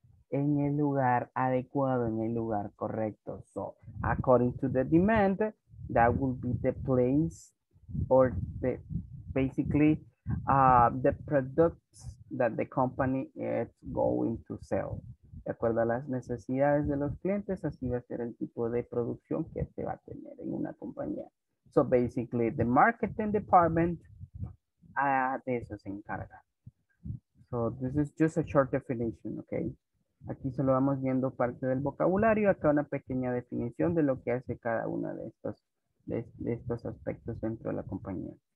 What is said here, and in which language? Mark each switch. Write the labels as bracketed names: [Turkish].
[Spanish] En el lugar adecuado, en el lugar correcto. [English] So, according to the demand, that will be the place or the, basically the products that the company is going to sell. [Spanish] De acuerdo a las necesidades de los clientes, así va a ser el tipo de producción que se va a tener en una compañía. [English] So, basically, the marketing department de eso se encarga. So, this is just a short definition, okay? [Spanish] Aquí solo vamos viendo parte del vocabulario. Acá una pequeña definición de lo que hace cada uno de estos, de estos aspectos dentro de la compañía.